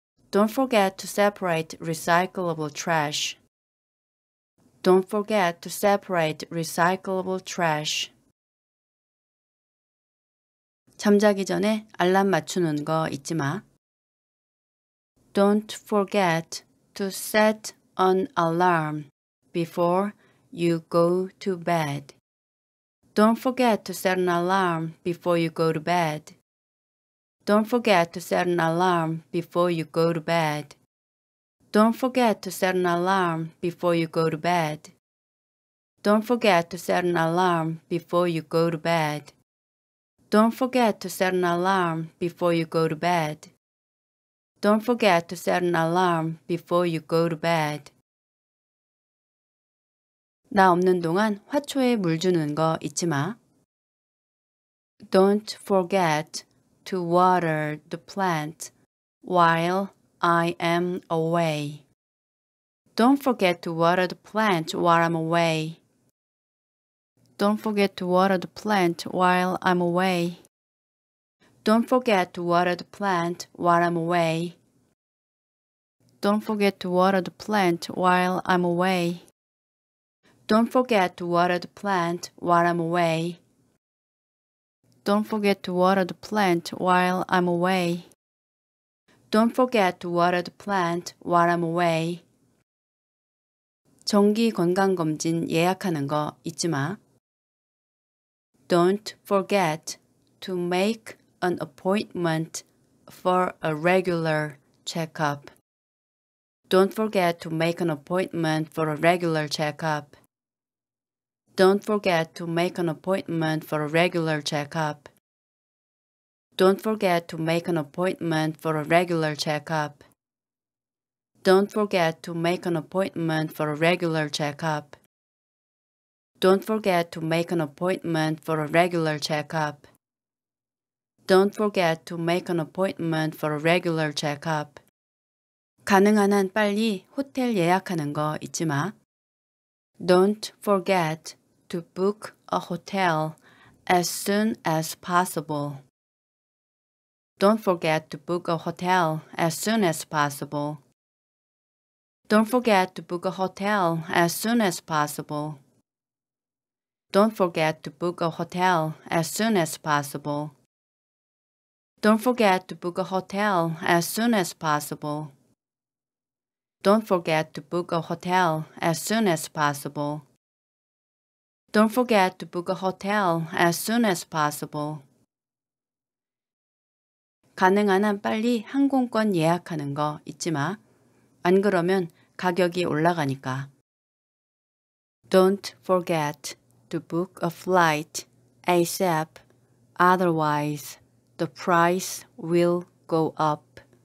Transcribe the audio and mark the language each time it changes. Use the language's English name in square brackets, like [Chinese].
[English] Don't forget to separate recyclable trash. Don't forget to separate recyclable trash. [Korean] 잠자기 전에 알람 맞추는 거 잊지 마. [English] Don't forget to set an alarm before you go to bed. Don't forget to set an alarm before you go to bed. Don't forget to set an alarm before you go to bed. Don't forget to set an alarm before you go to bed. Don't forget to set an alarm before you go to bed. Don't forget to set an alarm before you go to bed. Don't forget to set an alarm before you go to bed. [Korean] 나 없는 동안 화초에 물 주는 거 잊지 마. [English] Don't forget to water the plant while I am away. Don't forget to water the plant while I'm away. Don't forget to water the plant while I'm away. Don't forget to water the plant while I'm away. Don't forget to water the plant while I'm away. Don't forget to water the plant while I'm away. Don't forget to water the plant while I'm away. Don't forget to water the plant while I'm away. [Korean] 정기 건강검진 예약하는 거 잊지 마. [English] Don't forget to make an appointment for a regular checkup. Don't forget to make an appointment for a regular checkup. Don't forget to make an appointment for a regular checkup. Don't forget to make an appointment for a regular checkup. Don't forget to make an appointment for a regular checkup. Don't forget to make an appointment for a regular checkup. Don't forget to make an appointment for a regular checkup. [Korean] 가능한 한 빨리 호텔 예약하는 거 잊지 마. [English] Don't forget to book a hotel as soon as possible. Don't forget to book a hotel as soon as possible. Don't forget to book a hotel as soon as possible. Don't forget to book a hotel as soon as possible. Don't forget to book a hotel as soon as possible. Don't forget to book a hotel as soon as possible. Don't forget to book a hotel as soon as possible. [Korean] 가능한 한 빨리 항공권 예약하는 거 잊지 마. 안 그러면 가격이 올라가니까. [English] Don't forget to book a flight ASAP. Otherwise, the price will go up.